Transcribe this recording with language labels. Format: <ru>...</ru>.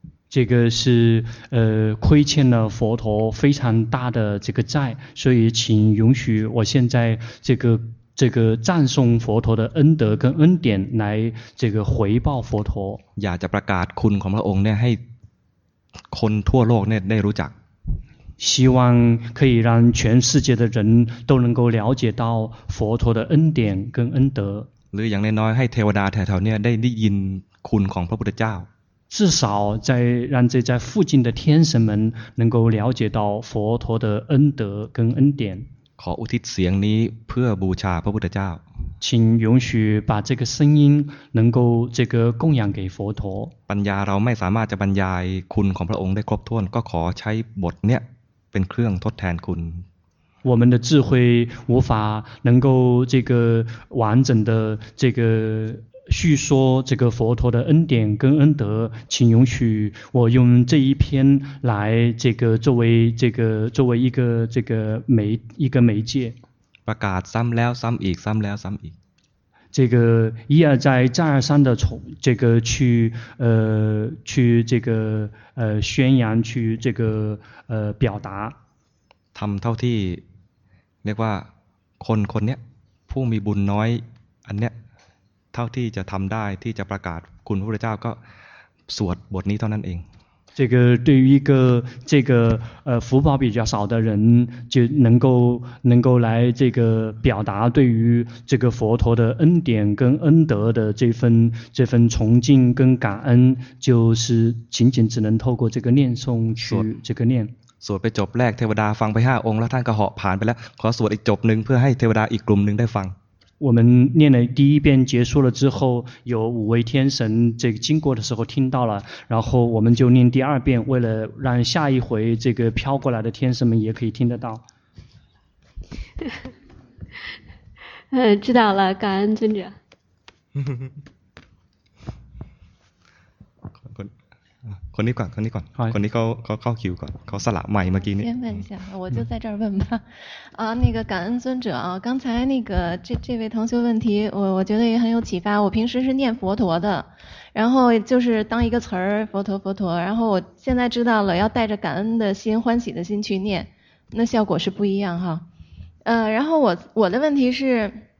<zh>这个是亏欠了佛陀非常大的这个债所以请允许我现在这个赞颂佛陀的恩德跟恩典来这个回报佛陀</zh> <th>อยากจะประกาศคุณของพระองค์เนี่ยให้คนทั่วโลกเนี่ยได้รู้จัก</th> <zh>希望可以让全世界的人都能够了解到佛陀的恩典跟恩德</zh> <th>หรืออย่างน้อยๆให้เทวดาแถวๆเนี่ยได้ยินคุณของพระพุทธเจ้า</th> <zh>至少在让这在附近的天神们能够了解到佛陀的恩德跟恩典</zh> <th>ขออุทิศเสียงนี้เพื่อบูชาพระพุทธเจ้า</th> <zh>请允许把这个声音能够这个供养给佛陀</zh> <th>ปัญญาเราไม่สามารถจะบรรยายคุณของพระองค์ได้ครบถ้วนก็ขอใช้บทเนี้ยเป็นเครื่องทดแทนคุณ</th> <zh>我们的智慧无法能够这个完整的这个叙说这个佛陀的恩典跟恩德请允许我用这一篇来这个作为这个作为一个这个媒一个媒介</zh> <th>ประกาศซ้ำแล้วซ้ำอีกซ้ำแล้วซ้ำอีก</th> <zh>这个一而再再而三的从这个去去这个宣扬去这个表达</zh> <th>ทำเท่าที่เรียกว่าคนคนเนี้ยผู้มีบุญน้อยอันเนี้ยเท่าที่จะทำได้ที่จะประกาศคุณพระพุทธเจ้าก็สวดบทนี้เท่านั้นเอง</th> <zh>这个对于一个这个福报比较少的人，就能够来这个表达对于这个佛陀的恩典跟恩德的这份崇敬跟感恩，就是仅仅只能透过这个念诵去这个念。</zh> <th>สวดไปจบแรกเทวดาฟังไปห้าองค์แล้วท่านก็เหาะผ่านไปแล้วขอสวดอีกจบหนึ่งเพื่อให้เทวดาอีกกลุ่มหนึ่งได้ฟัง</th> <zh>我们念了第一遍结束了之后，有五位天神这个经过的时候听到了，然后我们就念第二遍，为了让下一回这个飘过来的天神们也可以听得到。嗯，知道了，感恩尊者。</zh> <th>คนนี้ก่อนคนนี้ก่อนคนนี้เขาคิวก่อนเขาสละใหม่เมื่อกี้นี้</th> <zh>先问一下我就在这儿问吧啊那个感恩尊者啊刚才那个这位同修问题我觉得也很有启发我平时是念佛陀的然后就是当一个词儿佛陀佛陀然后我现在知道了要带着感恩的心欢喜的心去念那效果是不一样哈然后我的问题是</zh>